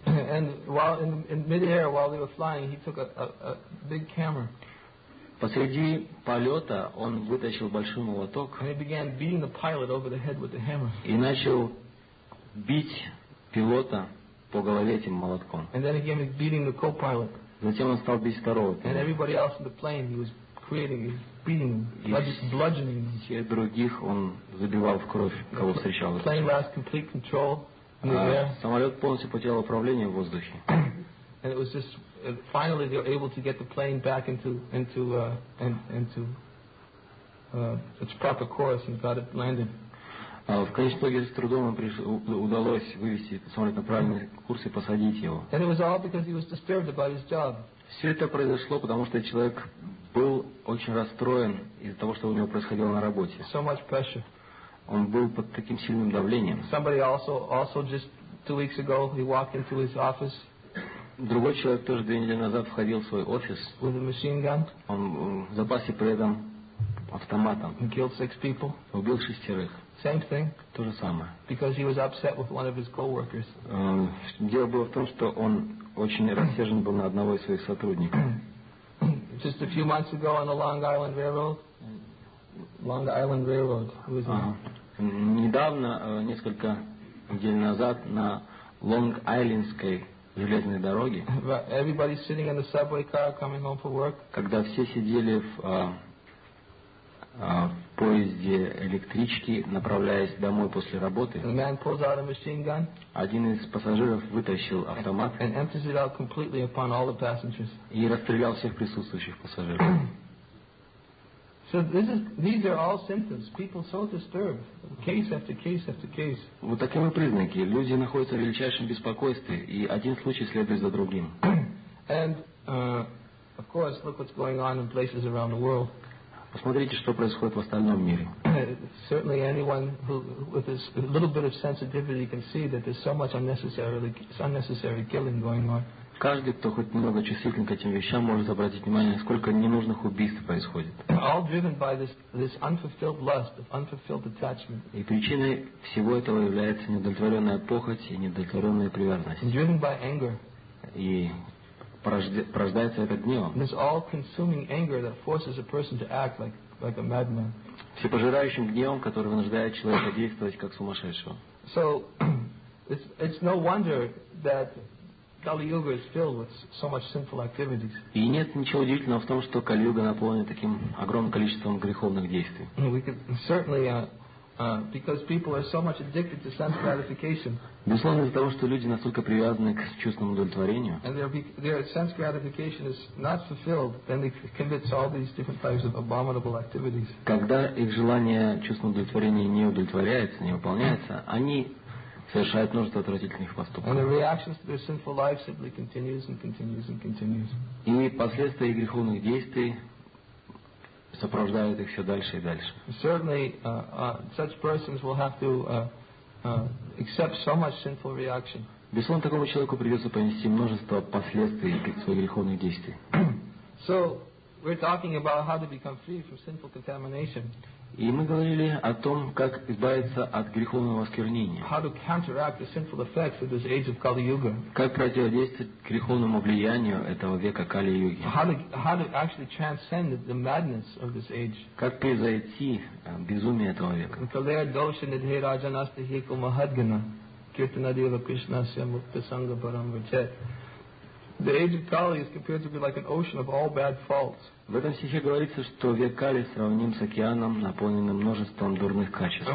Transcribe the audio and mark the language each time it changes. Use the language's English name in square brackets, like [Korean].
[English] And while in mid-air, while they were flying, he took a big camera. [Russian] Посреди полета он вытащил большой молоток. [English] And he began beating the pilot over the head with the hammer. [Russian] И начал бить пилота по голове этим молотком. [English] And then again, beating the co-pilot. [Russian] Затем он стал бить второго пилота. [English] And everybody else in the plane, he was creating, he was beating, bludgeoning. [Russian] И всех других он забивал в кровь, кого встречал. [English] The plane lost complete control. [Russian] Самолет полностью потерял управление в воздухе. [English] And it was just finally they were able to get the plane back into its proper course and got it landed. [Russian] В конечном итоге с трудом удалось вывести самолет на правильный курс и посадить его. [English] And it was all because he was disturbed about his job. [Russian] Все это произошло, потому что человек был очень расстроен из-за того, что у него происходило на работе. [English] So much pressure. [Russian] Он был под таким сильным давлением. [English] Somebody also just 2 weeks ago, he walked into his office. [Russian] Другой человек тоже 2 недели назад входил в свой офис. [English] With a machine gun. [Russian] Он в запасе при этом автоматом. [English] He killed 6 people. [Russian] Убил 6. [English] Same thing. [Russian] То же самое. [English] Because he was upset with one of his coworkers. [Russian] Дело было в том, что он очень рассержен был на одного из своих сотрудников. [English] Just a few months ago on the Long Island Railroad. Long Island Railroad. [Russian] Недавно, несколько недель назад, на Лонг-Айлендской железной дороге, [English] everybody's sitting in the subway car coming home from work. [Russian] Когда все сидели в поезде электрички, направляясь домой после работы, [English] the man pulls out a machine gun. [Russian] Один из пассажиров вытащил автомат [English] and empties it out completely upon all the passengers. [Russian] И расстрелял всех присутствующих пассажиров. [English] So these are all symptoms. People so disturbed. Case after case after case. [Russian] Вот такими признаки. Люди находятся в величайшем беспокойстве, и один случай следует за другим. [English] And of course, look what's going on in places around the world. [Russian] Посмотрите, что происходит в остальном мире. [English] Certainly, anyone who with this little bit of sensitivity can see that there's so much unnecessary killing going on. [Russian] Каждый, кто хоть немного чувствителен к этим вещам, может обратить внимание, сколько ненужных убийств происходит. [English] All driven by this unfulfilled lust, unfulfilled attachment. [Russian] И причиной всего этого является неудовлетворенная похоть и неудовлетворенная привязанность. [English] Driven by anger. [Russian] И порождается это гневом. [English] This all-consuming anger that forces a person to act like a madman. [Russian] Всепожирающим гневом, который вынуждает человека действовать как сумасшедшего. [English] So, it's no wonder that Kali Yuga is filled with so much sinful activities. [Russian] И нет ничего удивительного в том, что Кали Юга наполнена таким огромным количеством греховных действий. [English] We could certainly, because people are so much addicted to sense gratification. [Russian] Безусловно, из-за того, что люди настолько привязаны к чувственному удовлетворению. [English] And their sense gratification is not fulfilled, then they commit all these different types of abominable activities. [Russian] Когда их желание чувственного удовлетворения не удовлетворяется, не выполняется, они совершает множество отвратительных поступков. И последствия греховных действий сопровождают их все дальше и дальше. [English] Certainly, such persons will have to accept so much sinful reaction. [Russian] Безусловно, такому человеку придется понести множество последствий своих греховных действий. [English] So, we're talking about how to become free from sinful contamination. [Russian] И мы говорили о том, как избавиться от греховного осквернения. [English] How to counteract the sinful effects of this age of Kali-Yuga. [Russian] Как противодействовать греховному влиянию этого века Кали-Юги. [English] How to actually transcend the madness of this age. [Russian] Как превзойти безумие этого века. [Sanskrit] Kalaya dosha nidhera janasta hiku mahadgana kirtanadeva krishna syamukta sangha param vachet. [English] The age of Kali is compared to be like an ocean of all bad faults. [Russian] В этом стихе говорится, что век Кали сравним с океаном, наполненным множеством дурных качеств.